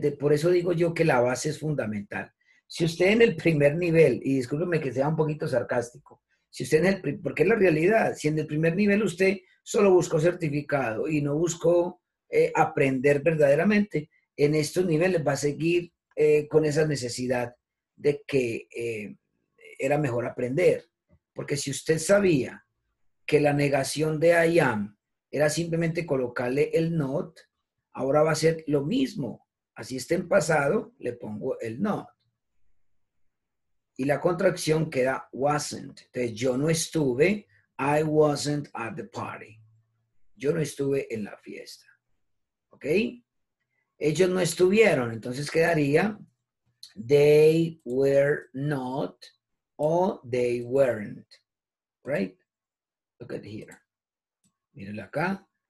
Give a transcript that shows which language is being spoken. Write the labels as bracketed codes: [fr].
[es] Por eso digo yo que la base es fundamental. Si usted en el primer nivel, y discúlpeme que sea un poquito sarcástico, si usted en el, porque es la realidad, si en el primer nivel usted solo buscó certificado y no buscó aprender verdaderamente, en estos niveles va a seguir con esa necesidad de que era mejor aprender. Porque si usted sabía que la negación de I am era simplemente colocarle el not, ahora va a ser lo mismo. Así esté en pasado, le pongo el not. Y la contracción queda wasn't. Entonces, yo no estuve, [en] I wasn't at the party. [es] Yo no estuve en la fiesta. ¿Ok? Ellos no estuvieron, entonces quedaría [en] they were not [es] o [en] they weren't. Right? Look at here. [es] Mírenlo acá.